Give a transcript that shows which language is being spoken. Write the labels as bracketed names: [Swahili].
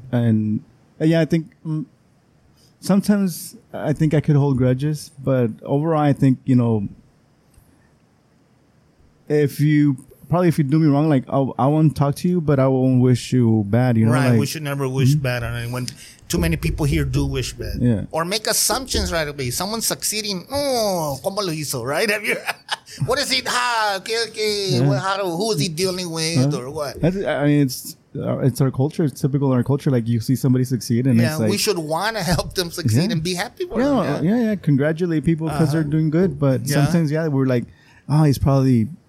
[English] And yeah, I think sometimes I think I could hold grudges, but overall, I think, you know, if you do me wrong, like, I won't talk to you, but I won't wish you bad, you know? Right, like, we should never wish bad on anyone. Too many people here do wish bad. Yeah. Or make assumptions right away. Someone succeeding, [Spanish] ¿cómo lo hizo, [English] right? Have you, what is he, who is he dealing with, or what? It's our culture. It's typical in our culture. Like, you see somebody succeed, and it's like, we should want to help them succeed and be happy for them. Yeah. Congratulate people because they're doing good. But sometimes, we're like, oh, he's probably